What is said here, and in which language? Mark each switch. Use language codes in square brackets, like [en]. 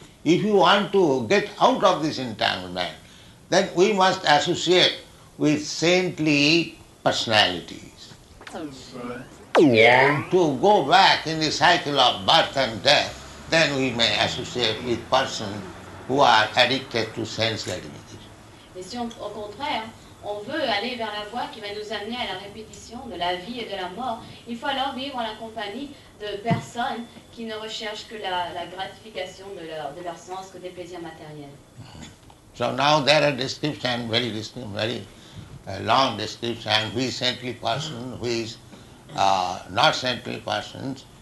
[en] If you want to get out of this entanglement, then we must associate with saintly personalities. Yeah. To go back in the cycle of birth and death, then we may associate with persons who are addicted to sense gratification. [fr] Mais si on, au contraire, on veut aller vers la voie qui va nous amener à la répétition de la vie et de la mort, il faut alors vivre en la compagnie de personnes qui ne recherchent que la gratification de leur sens, que des plaisirs matériels. [en] So now there are descriptions, very long descriptions, who is saintly person, who is not saintly person.